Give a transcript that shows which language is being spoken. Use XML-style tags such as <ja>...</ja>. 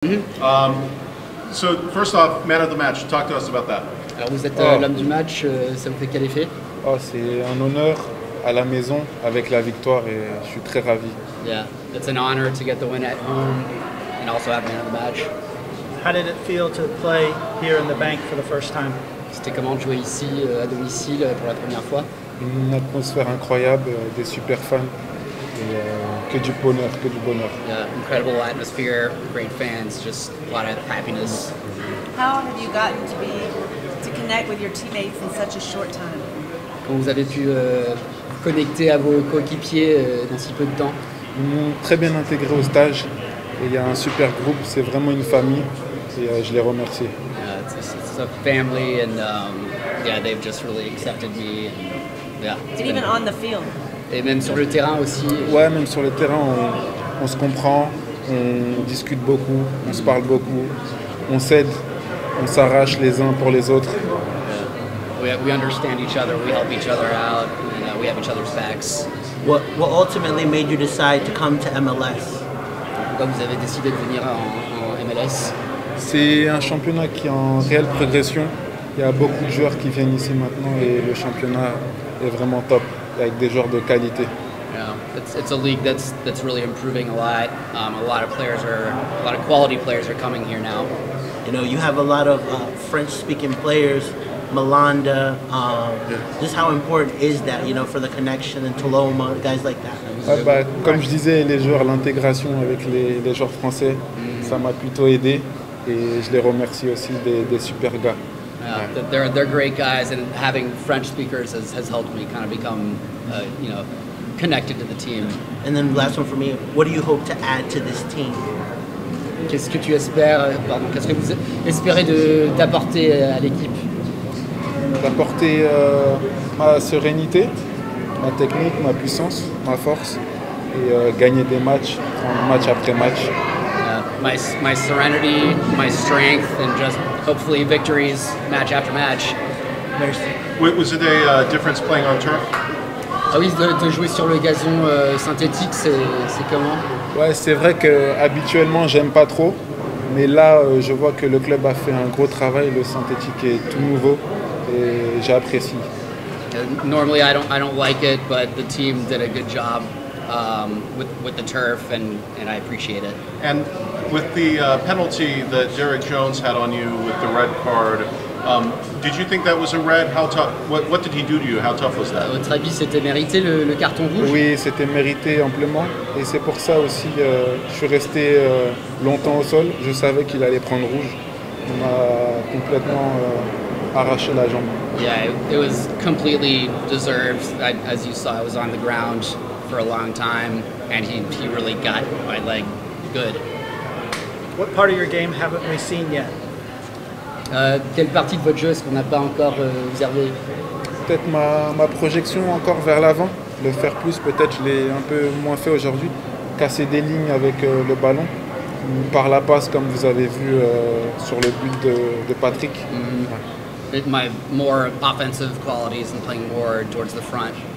<en>So first off, man of the match, talk to us about that.</en> <fr>Alors vous êtes l'homme du match, ça vous fait quel effet? Oh, c'est un honneur à la maison avec la victoire et je suis très ravi.</fr> <en>Yeah, it's an honor to get the win at home and also have man of the match. How did it feel to play here in the bank for the first time?</en> <fr>C'était comment jouer ici à domicile pour la première fois? Une atmosphère incroyable, des super fans. Que du bonheur, que du bonheur.</fr> <en>Yeah, incredible atmosphere, great fans, just a lot of happiness. How have you gotten to connect with your teammates in such a short time?</en> <fr>Comment vous avez pu connecter à vos coéquipiers dans si peu de temps? Ils m'ont très bien intégré au stage. Et il y a un super groupe, c'est vraiment une famille. Et je les remercie.</fr> <en>Yeah, it's a family and yeah, they've just really accepted me. And, yeah, and even on the field.</en> <fr>Et même sur le terrain aussi. Ouais, même sur le terrain, on se comprend, on discute beaucoup, on se parle beaucoup, on s'aide, on s'arrache les uns pour les autres.</fr> <en>We understand each other, we help each other out, and, we have each other's backs. What ultimately made you decide to come to MLS?</en> <fr>Pourquoi vous avez décidé de venir en MLS? C'est un championnat qui est en réelle progression. Il y a beaucoup de joueurs qui viennent ici maintenant et le championnat est vraiment top. Avec des joueurs de qualité.</fr> <en>Yeah, it's a league that's really improving a lot. A lot of quality players are coming here now. You know, you have a lot of French speaking players, Milanda, just how important is that, you know, for the connection and Toloma, guys like that.</en> <fr>Comme je disais, les joueurs, l'intégration avec les joueurs français, ça m'a plutôt aidé et je les remercie aussi des super gars.</fr> <en>Yeah, they're great guys, and having French speakers has helped me kind of become, connected to the team. And then last one for me, what do you hope to add to this team?</en> <fr>Qu'est-ce que vous espérez d'apporter à l'équipe? D'apporter ma sérénité, ma technique, ma puissance, ma force, et gagner des matchs, match après match.</fr> <en>My serenity, my strength, and just hopefully victories match after match.</en> <fr>Merci.</fr> <en>Was it a difference playing on turf?</en> <fr>Ah oui, de jouer sur le gazon synthétique, c'est comment? Ouais, c'est vrai que habituellement j'aime pas trop, mais là je vois que le club a fait un gros travail. Le synthétique est tout nouveau et j'apprécie.</fr> <en>Normally I don't like it, but the team did a good job with the turf and I appreciate it. And with the penalty that Derek Jones had on you with the red card, did you think that was a red? How tough? What did he do to you? How tough was that?</en> <fr>À votre avis, c'était mérité le carton rouge? Oui, c'était mérité amplement. Et c'est pour ça aussi, je suis resté longtemps au sol. Je savais qu'il allait prendre rouge. On m'a complètement arraché la jambe.</fr> <en>Yeah, it was completely deserved. As you saw, I was on the ground for a long time, and he really got my leg good. What part of your game haven't we seen yet?</en> <fr>Quelle partie de votre jeu est-ce qu'on n'a pas encore observé? Peut-être ma projection encore vers l'avant, le faire plus, peut-être je l'ai un peu moins fait aujourd'hui, casser des lignes avec le ballon, par la passe comme vous avez vu sur le but de Patrick.</fr> <en>My more offensive qualities and playing more towards the front.</en>